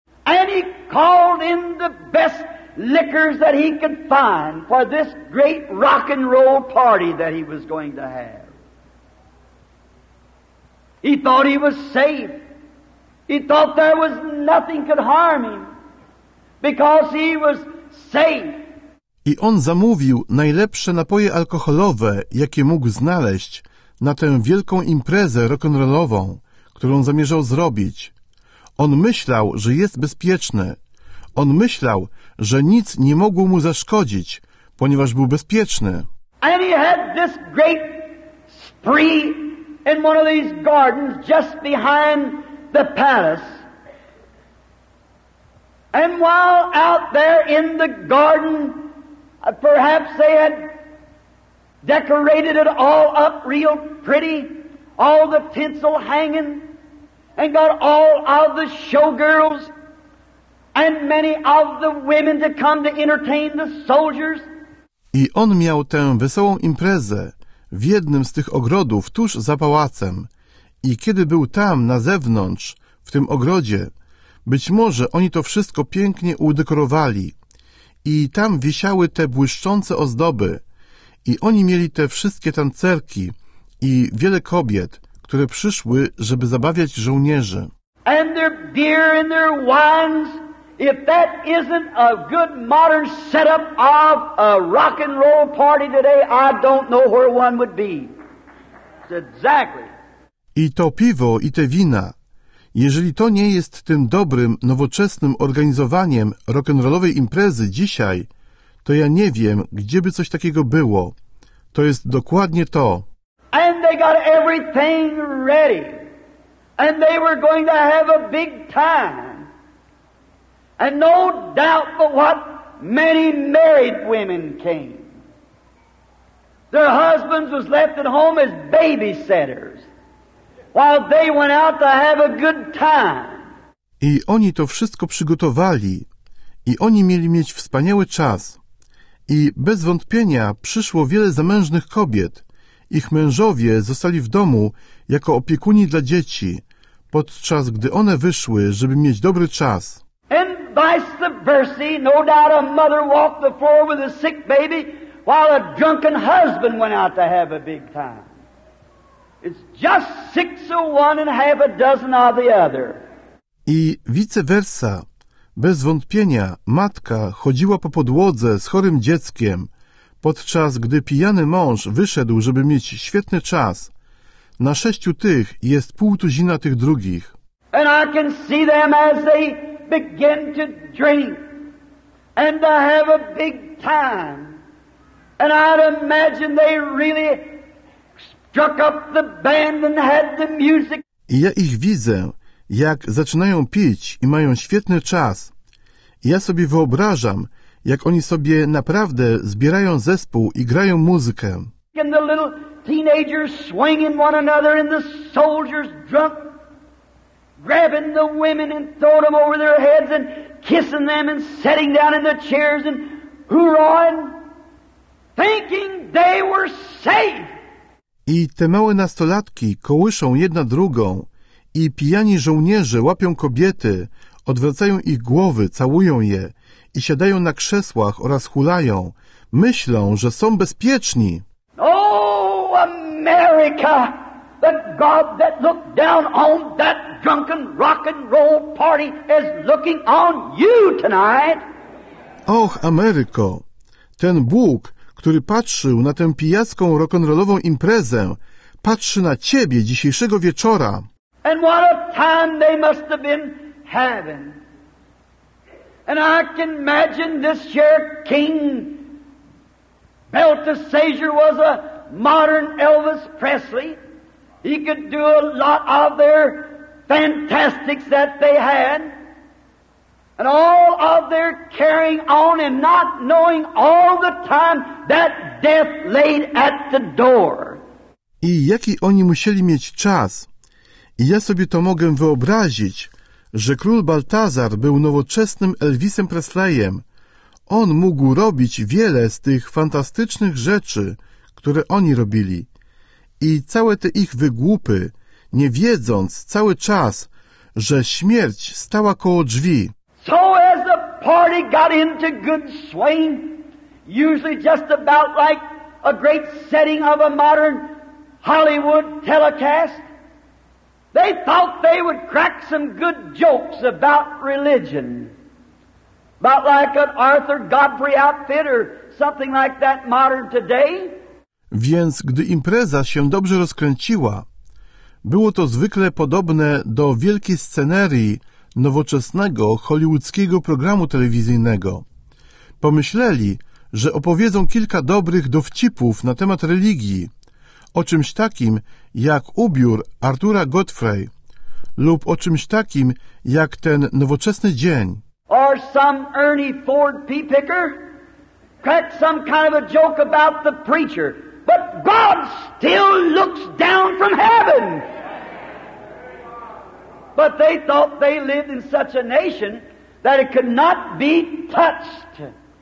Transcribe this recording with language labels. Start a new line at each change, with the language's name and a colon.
English: And he called in the best liquors that he could find for this great rock and roll party that he was going to have. He thought he was safe. He thought there was nothing could harm him because he was safe.
Polish: I on zamówił najlepsze napoje alkoholowe, jakie mógł znaleźć na tę wielką imprezę rock'n'rollową, którą zamierzał zrobić. On myślał, że jest bezpieczny. On myślał, że nic nie mogło mu zaszkodzić, ponieważ był bezpieczny.
English: And he had this great spree in one of these gardens just behind the palace. And while out there in the garden, perhaps they had decorated it all up real pretty, all the tinsel hanging, and got all of the showgirls and many of the women to come to entertain the soldiers.
Polish: I on miał tę wesołą imprezę w jednym z tych ogrodów tuż za pałacem. I kiedy był tam na zewnątrz, w tym ogrodzie, być może oni to wszystko pięknie udekorowali. I tam wisiały te błyszczące ozdoby. I oni mieli te wszystkie tancerki i wiele kobiet, które przyszły, żeby zabawiać żołnierzy.
English: And their beer and their wines. If that isn't a good modern setup of a rock and roll party today, I don't know where one would be. Exactly.
Polish: I to piwo i te wina. Jeżeli to nie jest tym dobrym, nowoczesnym organizowaniem rock'n'rollowej imprezy dzisiaj, to ja nie wiem, gdzie by coś takiego było. To jest dokładnie to.
English: And they got everything ready. And they were going to have a big time. And no doubt but what many married women came. Their husbands was left at home as babysitters while they went out to have a good time.
Polish: I oni to wszystko przygotowali i oni mieli mieć wspaniały czas. I bez wątpienia przyszło wiele zamężnych kobiet. Ich mężowie zostali w domu jako opiekuni dla dzieci, podczas gdy one wyszły, żeby mieć dobry czas.
English: And vice versa, no doubt a mother walked the floor with a sick baby while a drunken husband went out to have a big time. It's just six of one and half a dozen of the other.
Polish: I vice versa, bez wątpienia matka chodziła po podłodze z chorym dzieckiem, podczas gdy pijany mąż wyszedł, żeby mieć świetny czas. Na sześciu tych jest pół tuzina tych drugich.
English: And I can see them as they begin to drink and to have a big time. And I'd imagine they really struck up the band and had the music.
Polish: I ja ich widzę, jak zaczynają pić i mają świetny czas. I ja sobie wyobrażam, jak oni sobie naprawdę zbierają zespół i grają muzykę.
English: And the little teenagers swinging one another and the soldiers drunk. Grabbing the women and throwing them over their heads and kissing them and sitting down in the chairs and hurrahing, thinking they were safe.
Polish: I te małe nastolatki kołyszą jedna drugą i pijani żołnierze łapią kobiety, odwracają ich głowy, całują je i siadają na krzesłach oraz hulają. Myślą, że są bezpieczni.
English: Oh, America! The God that looked down on that drunken rock and roll party is looking on you tonight.
Polish: Och, Ameryko, ten Bóg, który patrzył na tę pijacką rock'n'rollową imprezę, patrzy na ciebie dzisiejszego wieczora.
English: And what a time they must have been having. And I can imagine this year King Belteshazzar was a modern Elvis Presley. He could do a lot of their fantastics that they had. And all of their carrying on and not knowing all the time that death laid at the door.
Polish: I jaki oni musieli mieć czas. I ja sobie to mogę wyobrazić, że król Baltazar był nowoczesnym Elvisem Presleyem. On mógł robić wiele z tych fantastycznych rzeczy, które oni robili. I całe te ich wygłupy, nie wiedząc cały czas, że śmierć stała koło drzwi.
English: So as the party got into good swing, usually just about like a great setting of a modern Hollywood telecast, they thought they would crack some good jokes about religion. About like an Arthur Godfrey outfit or something like that modern today.
Polish: Więc gdy impreza się dobrze rozkręciła, było to zwykle podobne do wielkiej scenerii nowoczesnego hollywoodzkiego programu telewizyjnego. Pomyśleli, że opowiedzą kilka dobrych dowcipów na temat religii, o czymś takim jak ubiór Artura Godfrey lub o czymś takim jak ten nowoczesny dzień.
English: Or some Ernie Ford pea picker cracked some kind of a joke about the preacher, but God still looks down from heaven. But they thought they lived in such a nation that it could not be touched.